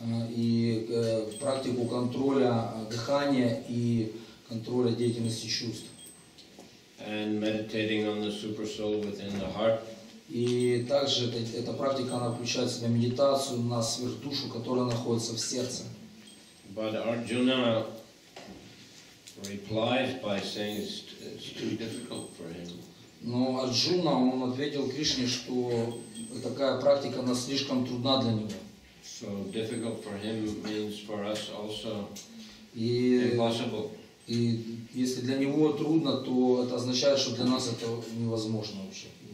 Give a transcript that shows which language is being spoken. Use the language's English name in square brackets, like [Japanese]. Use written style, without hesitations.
[Russian] И практику контроля дыхания и контроля деятельности чувств. [English] And meditating on the super soul within the heart. [Russian] И также эта практика, она включает в себя медитацию на сверхдушу, которая находится в сердце. [English] But Arjuna replies by saying it's too difficult for him. [Russian] Но Арджуна, он ответил Кришне, что такая практика, она слишком трудна для него. [English] So difficult for him means for us also [Russian] И если для него трудно, то это означает, что для нас это невозможно вообще.